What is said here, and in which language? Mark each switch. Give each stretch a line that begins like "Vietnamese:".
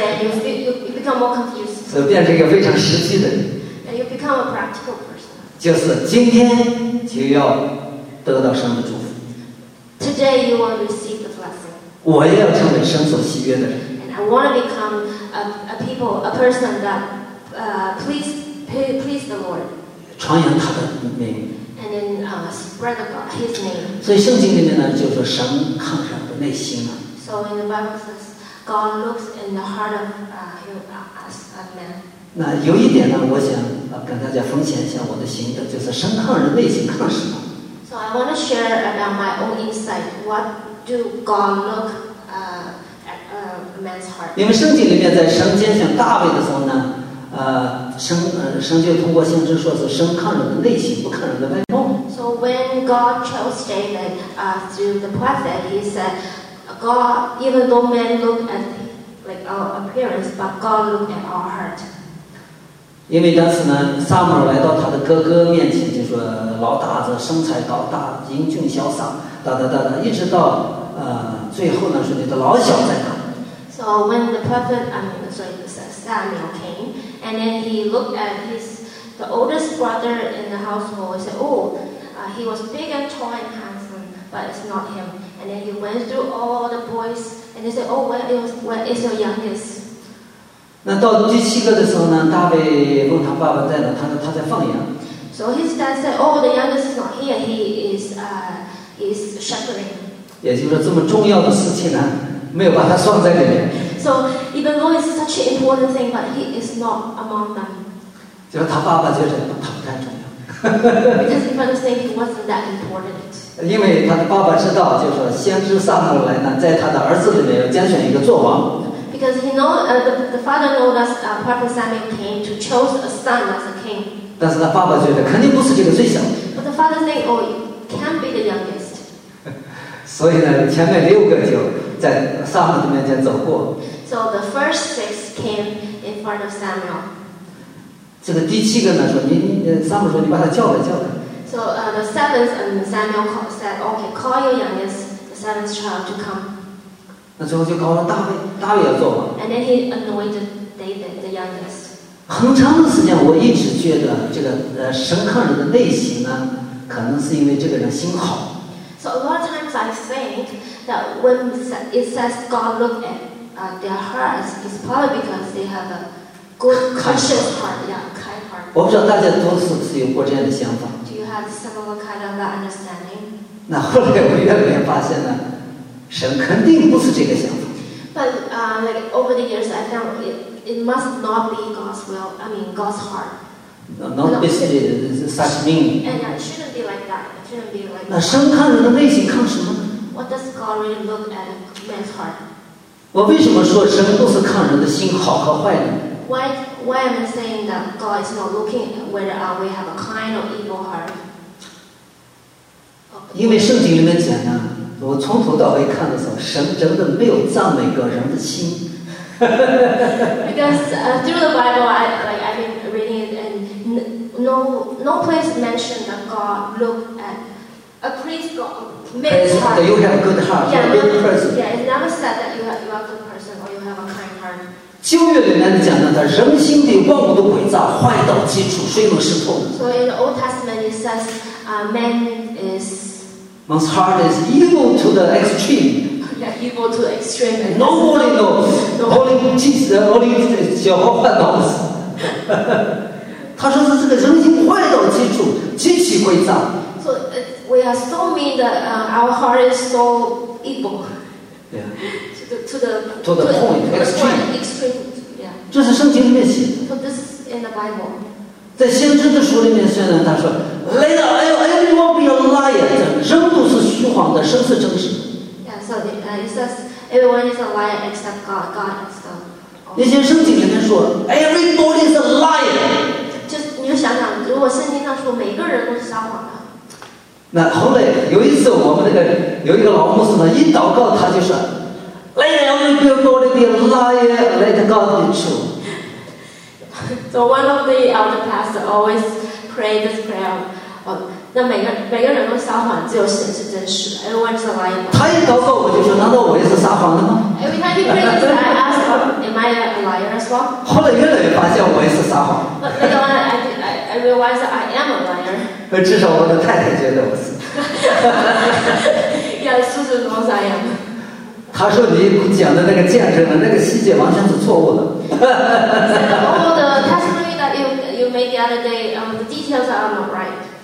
English: So after you write your essays and you become more confused. So you become a practical person. Today you will receive the blessing.
Chinese: 我也要成为神所喜悦的人。
English: And I want to become a person that please the Lord.
Chinese: 传扬他的名。
English: And then spread about his name.
Chinese: 所以圣经里面呢，就说神看人的内心了。
English: So in the Bible says, God looks in the heart of us as man.
Chinese: 那有一点呢，我想跟大家分享一下我的心得，就是神看人内心看什么。
English: So I want to share about my own insight. What do God look at man's heart?
Chinese: 因为圣经里面在神拣选大卫的时候呢，神就通过先知说是神看人的内心，不看人的外貌。
English: So when God chose David through the prophet, he said. God, even though men look at like our appearance, but God look at our heart.
Chinese: 因为当时呢，撒母耳来到他的哥哥面前，就说老大子身材高大，英俊潇洒，哒哒哒哒，一直到最后呢，说你的老小在哪
English: ？So when the prophet, Samuel came, and then he looked at the oldest brother in the household. He said, "Oh, he was big and tall and handsome, but it's not him." And then he went through all the boys, and he said, "Oh, where is your youngest?"
Chinese: 那到第七个的时候呢，大卫问他爸爸在哪？他说他在放羊。
English: So his dad said, oh, the youngest is not here, he is shepherding.
Chinese: 也就是说这么重要的事情呢，没有把他算在里面。
English: So even though it's such an important thing, but he is not among them.
Chinese: 就是他爸爸觉得他不太重要。
English: Because he was thinking it wasn't that important.
Chinese: 因为他的爸爸知道，就是说先知撒母耳呢，在他的儿子里面要拣选一个作王。
English: Because he know, the father know that Prophet Samuel came to choose a son as a king.
Chinese: 但是他爸爸觉得肯定不是这个最小。
English: But the father think, oh, it can't be the youngest.
Chinese: 所以呢，前面六个就在撒母耳的面前走过。
English: So the first six came in front of Samuel.
Chinese: 这个第七个呢，说你撒母说你把他叫来叫来。
English: So the seventh and Samuel called, said, okay, call your youngest, the seventh child to come.
Chinese: 那最后就告诉大卫，大卫要做嘛。
English: And then he anointed David, the youngest.
Chinese: 很长的时间，我一直觉得这个神看人的内心呢，可能是因为这个人心好。
English: So a lot of times I think that when it says God look at their hearts, it's probably because they have a good conscious heart, yeah, kind heart.
Chinese: 我不知道大家都是有过这样的想法。
English: Do you have similar kind of that understanding?
Chinese: 那后来我越来越发现呢，神肯定不是这个想法。
English: But like over the years, I found it must not be God's will. I mean, God's heart. Not basically such meaning. And it shouldn't be like that. It shouldn't be like.
Chinese: 那神看人的内心看什么？
English: What does God really look at man's heart?
Chinese: 我为什么说神不是看人的心好和坏呢？
English: Why am I saying that God is not looking at whether we have a kind or evil heart?
Chinese: 因为圣经里面讲呢，我从头到尾看的时候，神真的没有赞美过人的心。
English: Because through the Bible, I've been reading it, and no place mentioned that God looked at a priest or man's heart. That you have a good heart, yeah, a good person. Yeah, it's never said that you are a good person or you have a kind heart.
Chinese: 旧约里面讲的，他人心里万物都诡诈，坏到基础，谁能识破？
English: So in the Old Testament it says, man is. Man's heart is evil to the extreme. Yeah, evil to the extreme. Nobody knows. Only Jehovah knows.
Chinese: 他说是这个人心坏到基础，极其诡诈。
English: So we are so mean that our heart is so evil. Yeah. To the point, extreme.
Chinese: 这是圣经里面写的。
English: So this is in the Bible.
Chinese: 在先知的书里面虽然他说
English: Everyone be a liar.
Chinese: 人都是虚谎的，神是真实。
English: Yeah, so it says everyone is a liar except God is the God.
Chinese: 那些圣经里面说
English: Everybody is a liar.
Chinese: 就你就想想，如果圣经上说每个人都是撒谎的。那后来有一次我们那个有一个老牧师呢，一祷告他就说
English: Let God be true. So one of the elder pastors always pray this prayer.
Chinese: 那每个人都撒谎，只有神是真实的。
English: Everyone is a liar.
Chinese: 他一祷告，我就说，难道我也是撒谎的吗？
English: Every time he prays, I ask him, "Am I a liar as well?"
Chinese: 后来越来越发现我也是撒谎。
English: But later on, I realize I am a liar.
Chinese: 至少我的太太觉得我是。
English: Yeah, Susan knows I am.
Chinese: 他说你讲的那个见证的那个细节完全是错误的。
English: All the testimony that you made the other day, the details are not right.